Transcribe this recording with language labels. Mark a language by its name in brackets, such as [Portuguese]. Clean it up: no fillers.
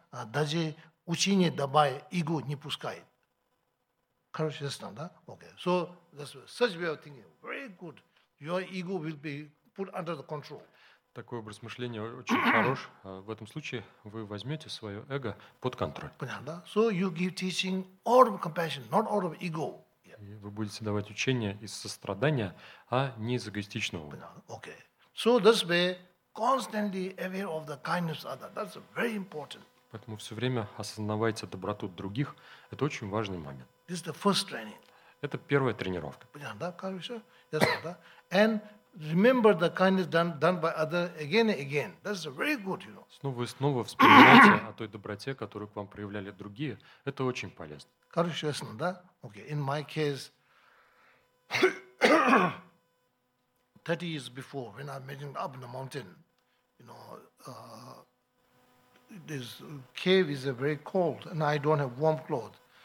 [Russian] А даже учение добавить, эго не пускает. Короче, ясно, да? [English] Okay. So, that's such way of thinking. Very good. Your ego will be put under the control. [Russian] Такой образ мышления очень хорош. В этом случае вы возьмете свое эго под контроль. Понятно, да? [English] So, you give teaching out of compassion, not out of ego. Yeah. [Russian] Вы будете давать учение из сострадания, а не из эгоистичного. Понятно, [English] okay. So, that's way constantly aware of the kindness of others. That's very important. [Russian] Поэтому все время осознавайте доброту других. Это очень важный момент. [English] This is the first training. [Russian] Это первая тренировка. Понятно, да, кажется? Yes, да. [English] And remember the kindness done by others again and again. That's very good, you know. [Russian] Снова и снова вспоминайте о той доброте, которую к вам проявляли другие. Это очень полезно. Кажется, ясно, да? Okay. [English] In my case, 30 years before, when I met him up in the mountain, you know, this cave is very cold, and I don't have warm clothes.